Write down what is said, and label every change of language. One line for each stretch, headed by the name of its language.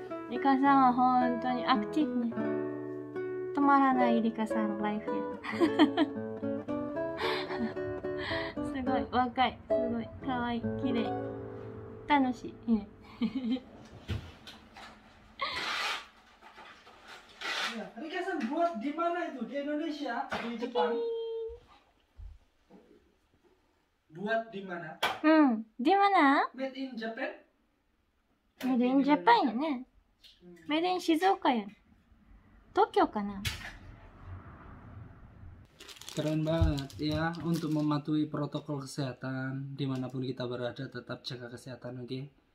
Japanese: リカさんは本当にアクティブね、止まらないリカさんのライフすごい若い、すごい可愛い、綺麗、楽しい、ね、
Indonesian: リカさん、buat di mana itu di Indonesia di Jepang buat di mana、うん、di mana
English: made in Japan made in Japan
Japanese: やね、メディン静岡や、東京かな。
Indonesian: Keren banget ya, untuk mematuhi protokol kesehatan dimanapun kita berada, tetap jaga kesehatan, oke?